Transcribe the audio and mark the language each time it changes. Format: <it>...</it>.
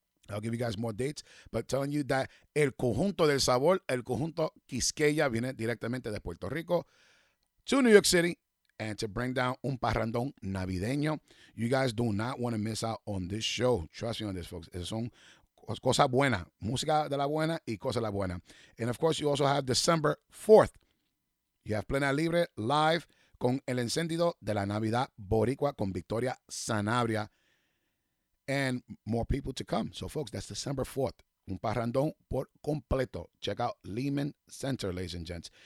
<en>I'll give you guys more dates, but telling you that El Conjunto del Sabor, El Conjunto Quisqueya,</en> <es>viene directamente de</es> <en>Puerto Rico to New York City and to bring down</en> <es>un parrandón navideño.</es> <en>You guys do not want to miss out on this show. Trust me on this, folks.</en> <es>Es un cosa buena. Música de la buena y cosa de la buena.</es> <en>And, of course, you also have December 4th. You have Plena Libre live con El Encendido de la Navidad Boricua con Victoria Sanabria. And more people to come. So, folks, that's December 4th.</en> <es>Un parrandón por completo.</es> <en>Check out Lehman Center, ladies and gents.</en>